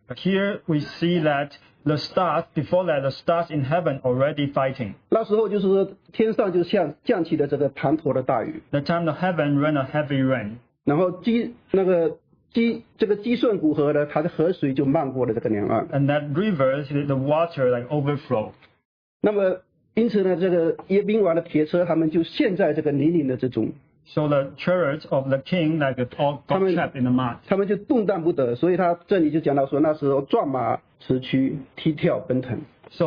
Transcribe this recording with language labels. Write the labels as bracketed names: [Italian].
[English] Here we see that the stars, before that, the stars in heaven already fighting. [Chinese] 那时候就是天上就像降起了这个滂沱的大雨。 [English] The time the heaven ran a heavy rain. [Chinese] 然后这个基顺谷河呢，它的河水就漫过了这个两岸。 [English] And that river, the water like overflow. [Chinese] 因此呢，这个耶宾王的铁车他们就陷在这个泥泞的之中。 [English] So the chariots of the king like all got trapped in the mud. [Chinese] 他们就动弹不得，所以他这里就讲到说，那时候撞马驰驱，踢跳奔腾。 [English] So